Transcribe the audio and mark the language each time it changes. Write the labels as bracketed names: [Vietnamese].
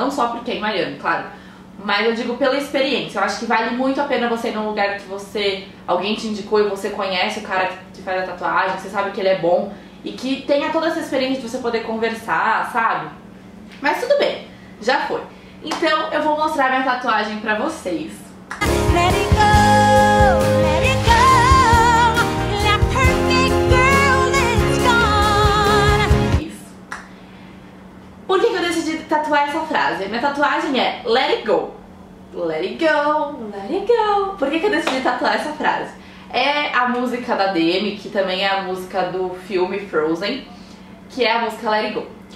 [Portuguese] Não só porque é em Miami, claro. Mas eu digo pela experiência, eu acho que vale muito a pena você ir num lugar que você, alguém te indicou e você conhece o cara que faz a tatuagem, você sabe que ele é bom e que tenha toda essa experiência de você poder conversar, sabe? Mas tudo bem, já foi. Então eu vou mostrar minha tatuagem pra vocês. [English] Let it go, let it go. The perfect girl is gone. [Portuguese] Por que eu decidi tatuar essa frase? Minha tatuagem é let it go. [English] Let it go, let it go. [Portuguese] Por que eu decidi tatuar essa frase? É a música da Demi, que também é a música do filme Frozen, que é a música Let It Go.